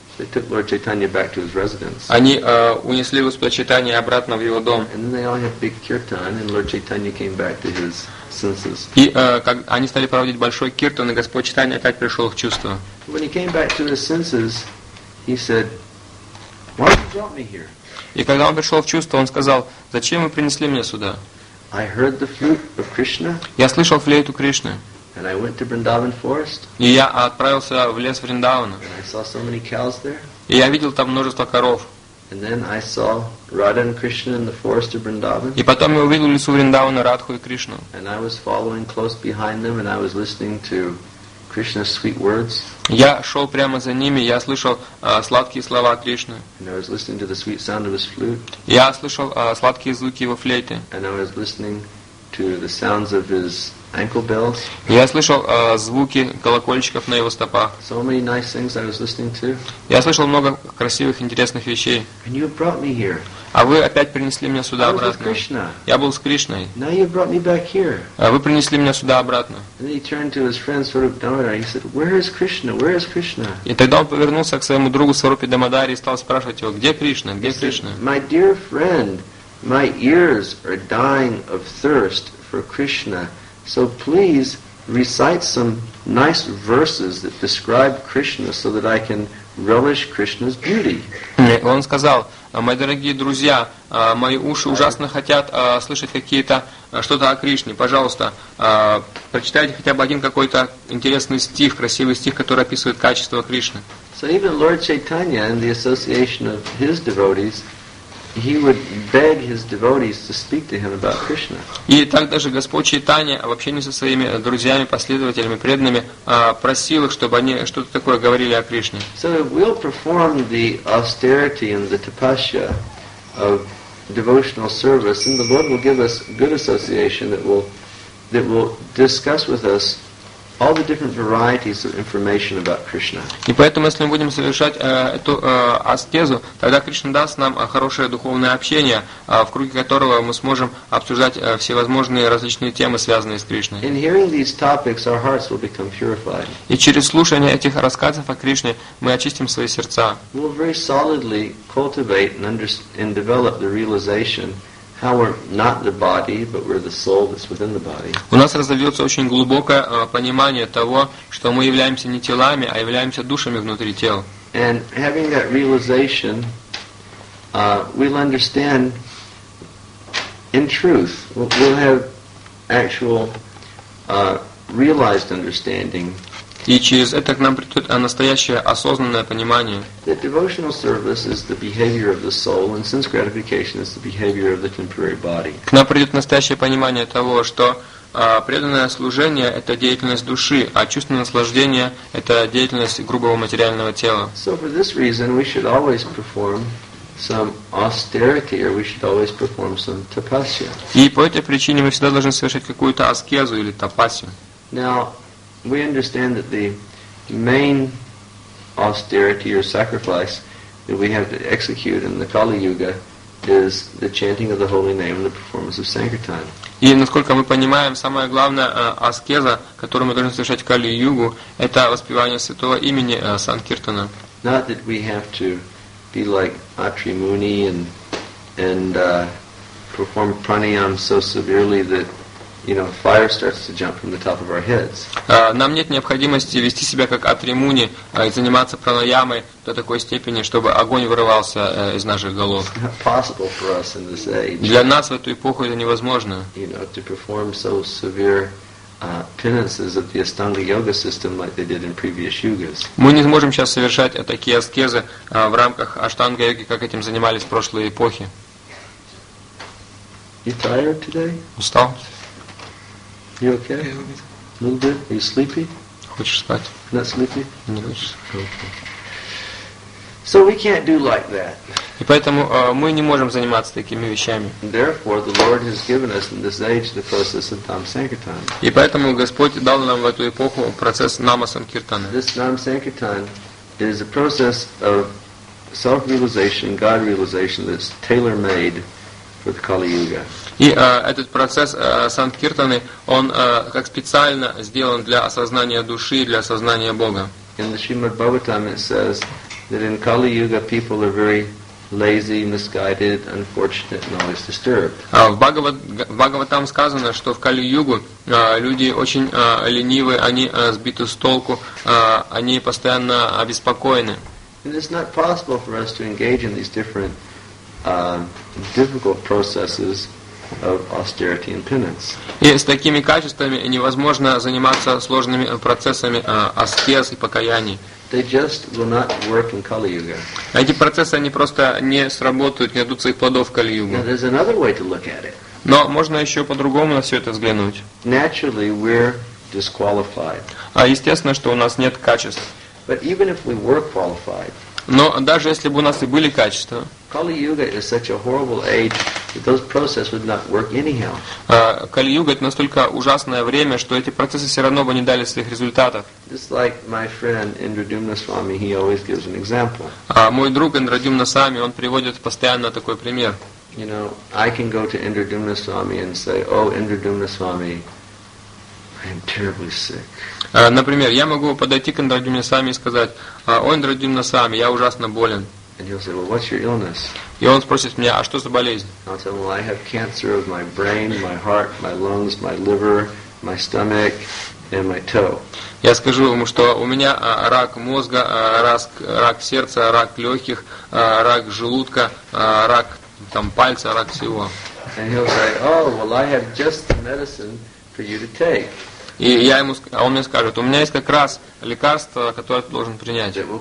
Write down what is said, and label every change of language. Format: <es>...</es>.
<en>They took Lord Chaitanya back to his residence.</en> <ru>Они унесли Господа Чайтанья обратно в его дом.</ru> <en>And then they all had big kirtan, and Lord Chaitanya came back to his senses.</en> <ru>И как они стали проводить большой киртан, и Господь Чайтанья опять пришел к чувству.</ru> <en>When he came back to his senses, he said, "Why did you drop me here?"</en> <ru>И когда он пришел в чувство, он сказал, зачем вы принесли меня сюда?</ru> <en>I heard the flute of Krishna.</en> <ru>Я слышал флейту Кришны.</ru> <en>And I went to Vrindavan forest.</en> <ru>И я отправился в лес Вриндавана.</ru> <en>And I saw so many cows there.</en> <ru>И я видел там множество коров.</ru> <en>And then I saw Radha and Krishna in the forest of Vrindavan.</en> <ru>И потом я увидел в лесу Вриндавана Радху и Кришну.</ru> <en>And I was following close behind them, and I was listening to Krishna's sweet words.</en> <ru>Я шел прямо за ними, я слышал сладкие слова Кришны.</ru> <en>And I was listening to the sweet sound of his flute.</en> <ru>Я слышал сладкие звуки его флейты.</ru> <en>And I was listening to the sounds of his ankle bells.</en> <ru>Я слышал звуки колокольчиков на его стопах.</ru> <en>So many nice things I was listening to.</en> <ru>Я слышал много красивых, интересных вещей.</ru> <en>And you brought me here.</en> <ru>А вы опять принесли меня сюда обратно. Я был с Кришной.</ru> <en>Now you brought me back here.</en> <ru>А вы принесли меня сюда обратно.</ru> <en>And he turned to his friend Swarup Damodara. He said, "Where is Krishna? Where is Krishna?"</en> <ru>И тогда он повернулся к своему другу Сварупе Дамодаре и стал спрашивать его, где Кришна? Где Кришна?</ru> <en>My dear friend, my ears are dying of thirst for Krishna. So please recite some nice verses that describe Krishna so that I can relish Krishna's beauty.</en> <ru>Он сказал, мои дорогие друзья, мои уши ужасно хотят слышать какие-то что-то о Кришне. Пожалуйста, прочитайте хотя бы один какой-то интересный стих, красивый стих, который описывает качество Кришны.</ru> <en>So even Lord Chaitanya and the association of his devotees, he would beg his devotees to speak to him about Krishna.</en> <ru>И так даже Господь Чайтанья в общении со своими друзьями, последователями, преданными просил их, чтобы они что-то такое говорили о Кришне.</ru> <en>So if we'll perform the austerity and the tapasya of devotional service, then the Lord will give us good association that will discuss with us all the different varieties of information about Krishna.</en> <ru>И поэтому, если мы будем совершать эту аскезу, тогда Кришна даст нам хорошее духовное общение, в круге которого мы сможем обсуждать всевозможные различные темы, связанные с Кришной.</ru> <en>In hearing these topics, our hearts will become purified.</en> <ru>И через слушание этих рассказов о Кришне мы очистим свои сердца.</ru> <en>We'll very solidly cultivate and develop the realization how we're not the body, but we're the soul that's within the body.</en> <ru>У нас развивается очень глубокое понимание того, что мы являемся не телами, а являемся душами внутри тел.</ru> <en>And having that realization, we'll understand in truth. We'll have actual realized understanding.</en> <ru>И через это к нам придет настоящее осознанное понимание.</ru> <en>That devotional service is the behavior of the soul, and sense gratification is the behavior of the temporary body.</en> <ru>К нам придет настоящее понимание того, что преданное служение — это деятельность души, а чувственное наслаждение — это деятельность грубого материального тела.</ru> <en>So for this reason, we should always perform some austerity, or we should always perform some tapasya.</en> <ru>И по этой причине мы всегда должны совершать какую-то аскезу или тапасию.</ru> <en>Now, we understand that the main austerity or sacrifice that we have to execute in the Kali Yuga is the chanting of the holy name and the performance of sankirtan.</en> <ru>И насколько мы понимаем, самая главная аскеза, которую мы должны совершать в Кали Югу, это воспевание святого имени санкиртана.</ru> <en>Not that we have to be like Atri Muni and perform pranayam so severely that you know, fire starts to jump from the top of our heads.</en> <ru>Нам нет необходимости вести себя как Атри Муни и заниматься пранаямой до такой степени, чтобы огонь вырывался из наших голов.</ru> <en>It's not possible for us in this age.</en> <ru>Для нас в эту эпоху это невозможно.</ru> <en>You know, to perform so severe penances of the Astanga Yoga system like they did in previous yugas.</en> <ru>Мы не сможем сейчас совершать такие аскезы в рамках Аштанга Йоги, как этим занимались в прошлые эпохи.</ru> <en>You tired today?</en> <ru>Устал.</ru> <en>You okay? A little bit? Are you sleepy?</en> <ru>Хочешь спать?</ru> <en>Not sleepy?</en> <ru>Не хочешь.</ru> <en>Okay. So we can't do like that.</en> <ru>И поэтому мы не можем заниматься такими вещами.</ru> <en>Therefore, the Lord has given us in this age the process of Nama Sankirtan.</en> <ru>И поэтому Господь дал нам в эту эпоху процесс Нама Санкиртана.</ru> <en>This Nama Sankirtan is a process of self-realization, God-realization that's tailor-made for the Kali Yuga.</en> <ru>И этот процесс Санкиртаны, он как специально сделан для осознания души, для осознания Бога.</ru> <en>In the Srimad Bhagavatam it says that in Kali Yuga people are very lazy, misguided, unfortunate, and always disturbed.</en> <ru>В Бхагаватам сказано, что в Кали-Югу люди очень ленивы, они сбиты с толку, они постоянно обеспокоены.</ru> <en>And it's not possible for us to engage in these different difficult processes of austerity and penance.</en> <ru>И с такими качествами невозможно заниматься сложными процессами аскез и покаяний.</ru> <en>They just will not work in Kali Yuga.</en> <ru>Эти процессы они просто не сработают, не дадут своих плодов в Кали Югу.</ru> <en>There's another way to look at it.</en> <ru>Но можно еще по-другому на все это взглянуть.</ru> <en>Naturally, we're disqualified.</en> <ru>А естественно, что у нас нет качеств.</ru> <en>But even if we were qualified.</en> <ru>Но даже если бы у нас и были качества,</ru> <en>Кали-юга is such a horrible age that those processes would not work anyhow.</en> <ru>Кали-юга это настолько ужасное время, что эти процессы все равно бы не дали своих результатов.</ru> <en>Just like my friend Indra Dumna Swami, he always gives an example.</en> <ru>Мой друг Индра Дюмна Свами, он приводит постоянно такой пример.</ru> <en>You know, I can go to Indra Dumna Swami and say, "Oh, Indra Dumna Swami, I am terribly sick."</en> <ru>Например, я могу подойти к Индра Дюмна Свами и сказать, «О, Индра Дюмна Свами, я ужасно болен».</ru> <en>And he'll say, well, what's your illness?</en> <ru>И он спросит меня, «А что за болезнь?»</ru> <en>I'll say, well, I have cancer of my brain, my heart, my lungs, my liver, my stomach, and my toe.</en> <ru>Я скажу ему, что у меня рак мозга, рак сердца, рак легких, рак желудка, рак там, пальца, рак всего.</ru> <en>And he'll say, oh, well, I have just the medicine for you to take.</en> <ru>И я ему, а он мне скажет, у меня есть как раз лекарство, которое ты должен принять.</ru>